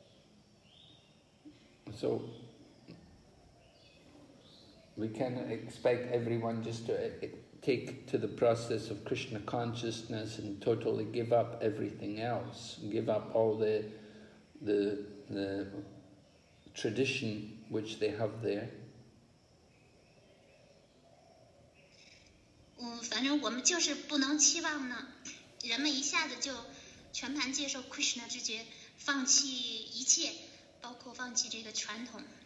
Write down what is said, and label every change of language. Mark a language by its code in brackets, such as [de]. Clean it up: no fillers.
[zh] 一般来说呢，奉献者是不做这些事情的，但只是为了让普通人心里都感到些安慰、满足。有时候就是奉献者也会做一点这些事情。 [en] So we cannot expect everyone just to take to the process of Krishna consciousness and totally give up everything else, give up all the tradition which they have there. [zh] 反正我们就是不能期望呢，人们一下子就全盘接受 Krishna 之觉，放弃一切，包括放弃这个传统。